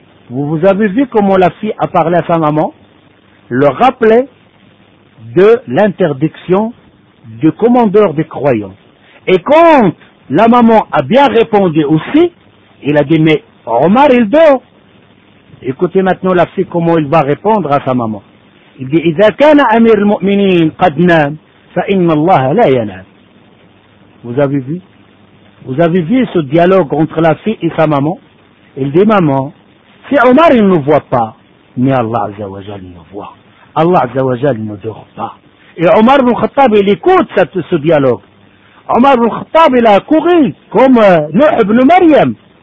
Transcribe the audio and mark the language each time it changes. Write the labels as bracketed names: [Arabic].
[French] Vous avez vu comment la fille a parlé à sa maman, le rappelait de l'interdiction du commandeur des croyants. Et quand la maman a bien répondu aussi, il a dit, mais Omar, il dort. Écoutez maintenant la fille comment il va répondre à sa maman. Il dit, « [Arabic] إذا كان أمير المؤمنين قد نام فإن الله لا ينام [French] » Vous avez vu? Vous avez vu ce dialogue entre la fille et sa maman? Il dit, « Maman, si Omar il ne voit pas, mais Allah Azzawajal il nous voit. Allah Azzawajal ne dort pas. » Et Omar ibn Khattab il écoute ce dialogue. Omar ibn Khattab il a couru comme Nuh ibn Maryam.